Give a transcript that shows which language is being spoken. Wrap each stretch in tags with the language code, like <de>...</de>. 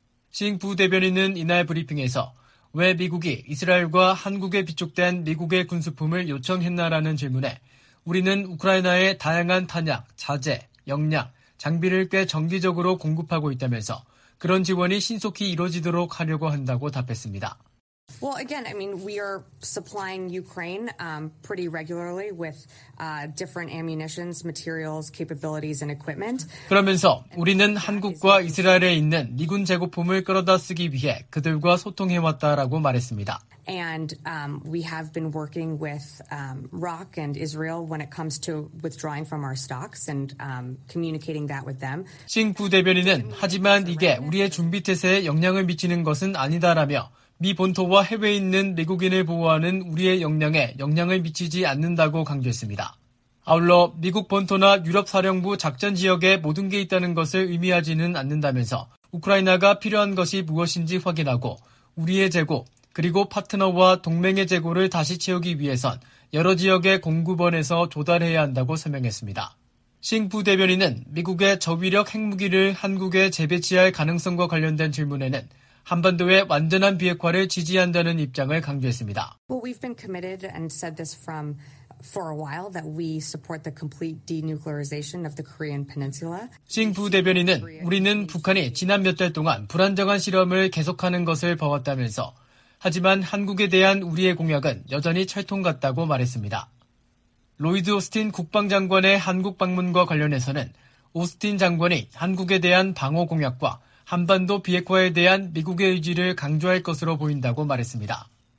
<ko>징 부대변인은 이날 브리핑에서 왜 미국이 이스라엘과 한국에 비축된 미국의 군수품을 요청했나라는 질문에 우리는 우크라이나에 다양한 탄약, 자재, 역량, 장비를 꽤 정기적으로 공급하고 있다면서 그런 지원이 신속히 이루어지도록 하려고 한다고 답했습니다.</ko> <en>Well, again, I mean, we are supplying Ukraine pretty regularly with different ammunitions, materials, capabilities, and equipment.</en> <ko>그러면서 우리는 한국과 이스라엘에 있는 미군 재고품을 끌어다 쓰기 위해 그들과 소통해 왔다라고 말했습니다.</ko> <en>And we have been working with ROC and Israel when it comes to withdrawing from our stocks and communicating that with them.</en> <ko>싱 부대변인은 하지만 이게 우리의 준비 태세에 영향을 미치는 것은 아니다라며 미 본토와 해외에 있는 미국인을 보호하는 우리의 역량에 영향을 미치지 않는다고 강조했습니다. 아울러 미국 본토나 유럽 사령부 작전 지역에 모든 게 있다는 것을 의미하지는 않는다면서 우크라이나가 필요한 것이 무엇인지 확인하고 우리의 재고 그리고 파트너와 동맹의 재고를 다시 채우기 위해선 여러 지역의 공급원에서 조달해야 한다고 설명했습니다. 싱 부대변인은 미국의 저위력 핵무기를 한국에 재배치할 가능성과 관련된 질문에는 한반도의 완전한 비핵화를 지지한다는 입장을 강조했습니다.</ko> <en>Well, we've been committed and said this from for a while that we support the complete denuclearization of the Korean Peninsula.</en> <ko>싱 부대변인은 우리는 북한이 지난 몇 달 동안 불안정한 실험을 계속하는 것을 보았다면서 하지만 한국에 대한 우리의 공약은 여전히 철통 같다고 말했습니다. 로이드 오스틴 국방장관의 한국 방문과 관련해서는 오스틴 장관이 한국에 대한 방어 공약과 한반도 비핵화에 대한 미국의 의지를 강조할 것으로 보인다고 말했습니다.</ko>